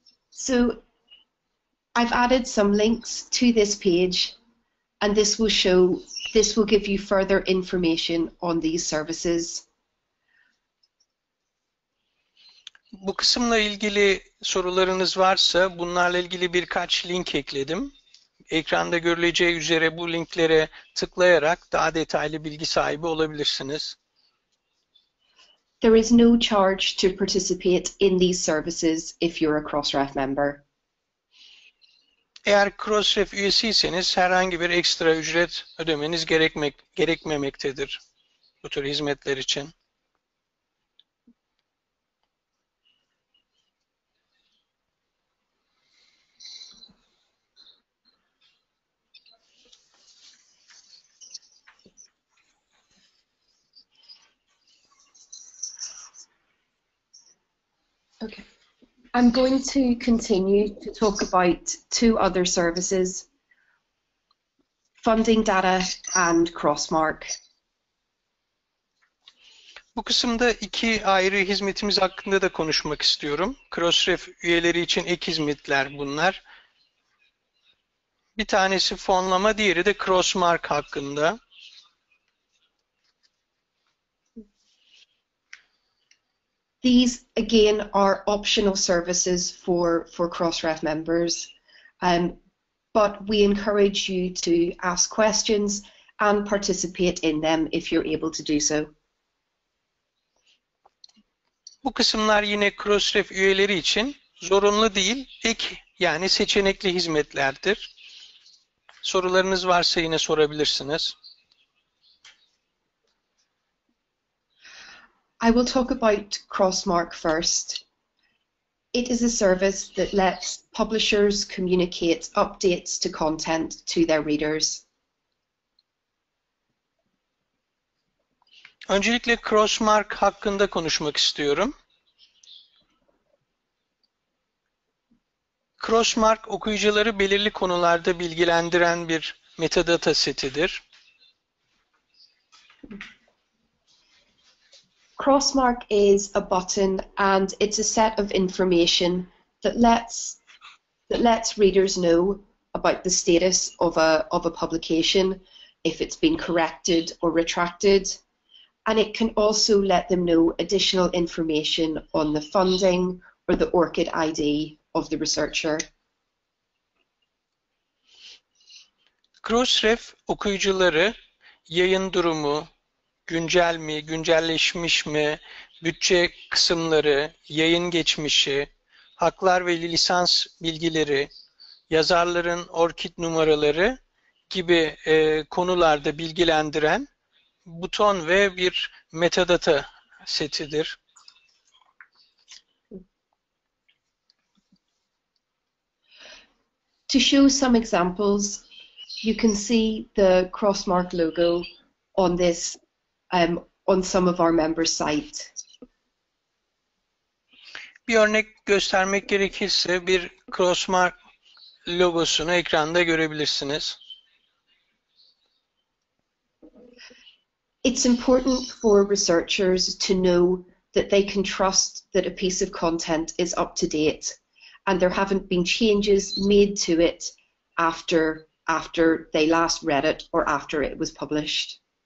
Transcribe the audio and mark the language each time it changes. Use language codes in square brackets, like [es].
[en] So, I've added some links to this page, and this will give you further information on these services. [tr] Bu kısımla ilgili sorularınız varsa, bunlarla ilgili birkaç link ekledim. Ekranda görüleceği üzere bu linklere tıklayarak daha detaylı bilgi sahibi olabilirsiniz. [en] There is no charge to participate in these services if you're a Crossref member. [tr] Eğer Crossref üyesiyseniz herhangi bir ekstra ücret ödemeniz gerekmemektedir bu tür hizmetler için. [en] Okay. I'm going to continue to talk about two other services, funding data and Crossmark. [tr] Bu kısımda iki ayrı hizmetimiz hakkında da konuşmak istiyorum. Crossref üyeleri için ek hizmetler bunlar. Bir tanesi fonlama, diğeri de Crossmark hakkında. [en] These again are optional services for Crossref members, but we encourage you to ask questions and participate in them if you're able to do so. [tr] Bu kısımlar yine Crossref üyeleri için zorunlu değil, ek yani seçenekli hizmetlerdir. Sorularınız varsa yine sorabilirsiniz. [en] I will talk about Crossmark first. It is a service that lets publishers communicate updates to content to their readers. [tr] Öncelikle Crossmark hakkında konuşmak istiyorum. Crossmark okuyucuları belirli konularda bilgilendiren bir metadata setidir. [en] Crossmark is a button and it's a set of information that lets readers know about the status of a publication, if it's been corrected or retracted, and it can also let them know additional information on the funding or the ORCID ID of the researcher. [tr] Crossref okuyucuları yayın durumu, güncel mi, güncelleşmiş mi, bütçe kısımları, yayın geçmişi, haklar ve lisans bilgileri, yazarların ORCID numaraları gibi konularda bilgilendiren buton ve bir metadata setidir. [en] To show some examples, you can see the Crossmark logo on this on some of our members' sites. [tr] Bir örnek göstermek gerekirse bir Crossmark logosunu ekranda görebilirsiniz. [en] It's important for researchers to know that they can trust that a piece of content is up to date and there haven't been changes made to it after they last read it or after it was published.